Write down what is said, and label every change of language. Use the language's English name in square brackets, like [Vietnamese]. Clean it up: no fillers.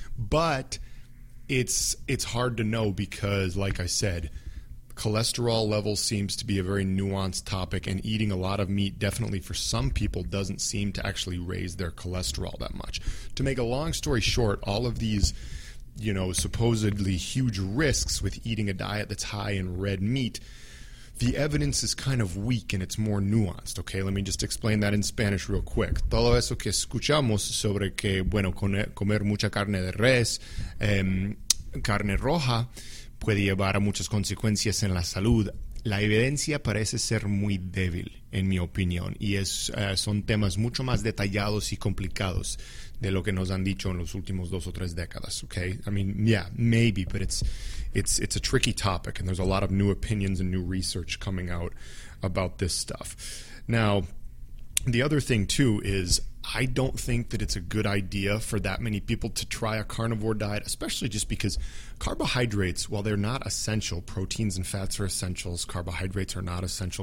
[English] But it's hard to know because, like I said, cholesterol level seems to be a very nuanced topic, and eating a lot of meat definitely for some people doesn't seem to actually raise their cholesterol that much. To make a long story short, all of these, you know, supposedly huge risks with eating a diet that's high in red meat, the evidence is kind of weak and it's more nuanced, okay? Let me just explain that in Spanish real quick. [Spanish] Todo eso que escuchamos sobre que, bueno, comer mucha carne de res, carne roja, puede llevar a muchas consecuencias en la salud. La evidencia parece ser muy débil, en mi opinión, y son temas mucho más detallados y complicados de lo que nos han dicho en los últimos dos o tres décadas, okay? [English] I mean, yeah, maybe, but it's a tricky topic, and there's a lot of new opinions and new research coming out about this stuff. Now, the other thing, too, is I don't think that it's a good idea for that many people to try a carnivore diet, especially just because carbohydrates, while they're not essential, proteins and fats are essentials, carbohydrates are not essential.